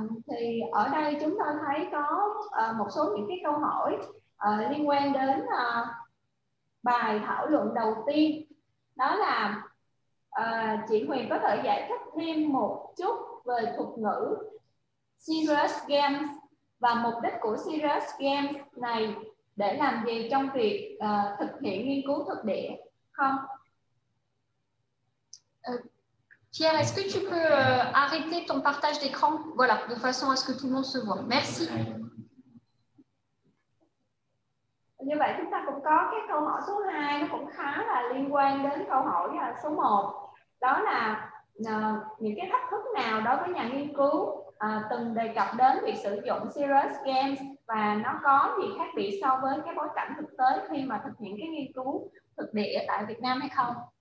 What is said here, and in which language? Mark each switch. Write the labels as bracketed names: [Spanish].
[Vietnamese] Thì ở đây chúng ta thấy có một số những cái câu hỏi liên quan đến bài thảo luận đầu tiên, đó là chị Huyền có thể giải thích thêm một chút về thuật ngữ Serious Games và mục đích của Serious Games này để làm gì trong việc thực hiện nghiên cứu thực địa không? [French] Pierre, est-ce que tu peux arrêter ton partage d'écran? Voilà, de façon à ce que tout le monde se voit. Merci. [Vietnamese] Như vậy, chúng ta cũng có cái câu hỏi số 2, nó cũng khá là liên quan đến câu hỏi số 1. Đó là những cái thách thức nào đối với nhà nghiên cứu từng đề cập đến việc sử dụng Serious Games và nó có gì khác biệt so với cái bối cảnh thực tế khi mà thực hiện cái nghiên cứu thực địa tại Việt Nam hay không?